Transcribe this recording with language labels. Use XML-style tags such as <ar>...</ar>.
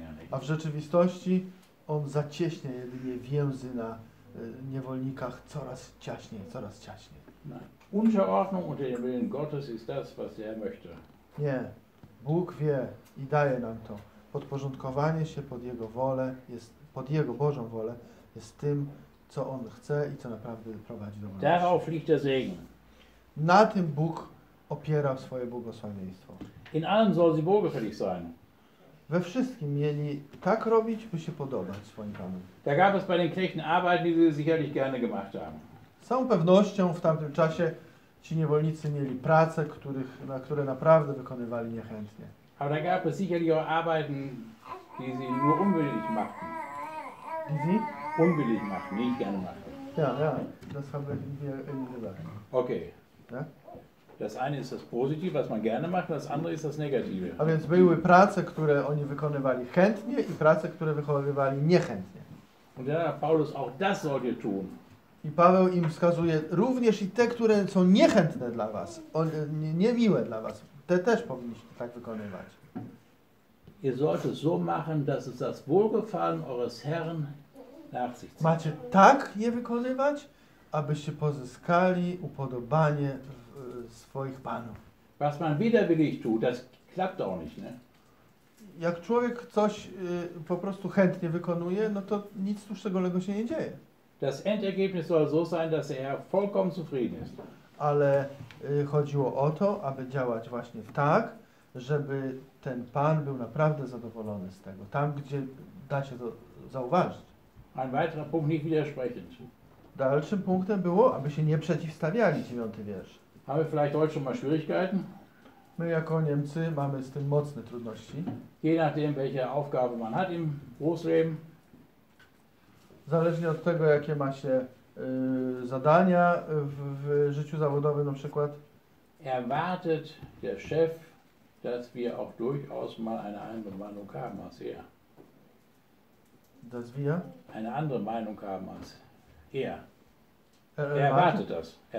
<pl>A w rzeczywistości on zacieśnia jedynie więzy na niewolnikach coraz ciaśniej, coraz ciaśniej.</pl> <de>Unterordnung unter dem Willen Gottes ist das, was er möchte.</de> <pl>Nie. Bóg wie i daje nam to. Podporządkowanie się pod Jego wolę, jest pod Jego Bożą wolę, jest tym, co On chce i co naprawdę prowadzi do wolności.</pl> <de>Darauf liegt der Segen.</de> <pl>Na tym Bóg opiera swoje błogosławieństwo.</pl> <de>In allem soll sie wohlgefällig sein.</de> <pl>We wszystkim mieli tak robić, by się podobać swoim Panom.</pl> <de>Da gab es bei den Knechten Arbeit, die sie sicherlich gerne gemacht haben.</de> <pl>Z całą pewnością w tamtym czasie ci niewolnicy mieli prace, których, na które naprawdę wykonywali niechętnie.</pl> <de>Aber da gab es sicherlich auch Arbeiten, die sie nur unwillig machten. Die sie? Unwillig machen, nicht gerne machen. Ja, ja, das haben wir eben gesagt. Okay. Ja? Das eine ist das Positive, was man gerne macht, das andere ist das Negative.</de> <pl>A więc były prace, które oni wykonywali chętnie i prace, które wykonywali niechętnie.</pl> <de>Und dann hat Paulus auch das sollte tun.</de> <pl>I Paweł im wskazuje, również i te, które są niechętne dla was, niemiłe dla was, te też powinniście tak wykonywać.</pl> <de>Ihr solltet so machen, dass es das Wohlgefallen eures Herrn nach sich zieht.</de> <pl>Macie tak je wykonywać, abyście pozyskali upodobanie swoich panów.</pl> <de>Was man widerwillig tut, das klappt auch nicht, ne?</de> <pl>Jak człowiek coś po prostu chętnie wykonuje, no to nic tu szczególnego się nie dzieje.</pl> <de>Das Endergebnis soll so sein, dass er vollkommen zufrieden ist.</de> <pl>Ale chodziło o to, aby działać właśnie tak, żeby ten Pan był naprawdę zadowolony z tego. Tam, gdzie da się to zauważyć.</pl> <de>Ein weiterer Punkt nicht widersprechend.</de> <pl>Dalszym punktem było, aby się nie przeciwstawiali, 9 wiersz.</pl> <de>Haben wir vielleicht heute schon mal Schwierigkeiten?</de> <pl>My jako Niemcy mamy z tym mocne trudności.</pl> <de>Je nachdem, welche Aufgabe man hat im Großleben.</de> <pl>Zależnie od tego, jakie ma się zadania w życiu zawodowym, na przykład.</pl> <de>Erwartet der Chef, dass wir auch durchaus mal eine andere Meinung haben als er. Dass wir? Eine andere Meinung haben als er. Er erwartet das.</de>